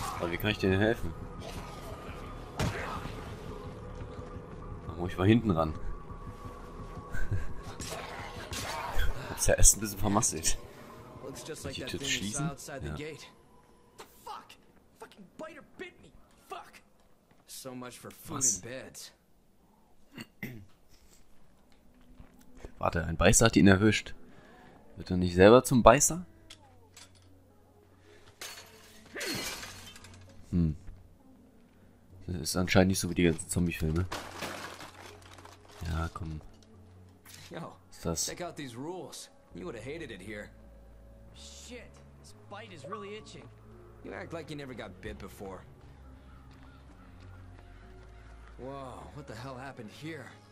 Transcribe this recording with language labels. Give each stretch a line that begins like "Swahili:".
German: Wie kann ich dir denn helfen? Da muss ich mal hinten ran. Ist ja erst ein bisschen vermasselt. Kann ich die Tür schließen? Ja.
English: Fuck! Fucking biter bit me! Fuck! So much for food and beds.
German: Warte, ein Beißer hat ihn erwischt. Wird er nicht selber zum Beißer? Das ist anscheinend nicht so wie die ganzen Zombie-Filme. Ja, komm.
English: Yo, check out these rules. You would have hated it here. Shit, this bite is really itching. You act like you never got bit before. Whoa, what the hell happened here?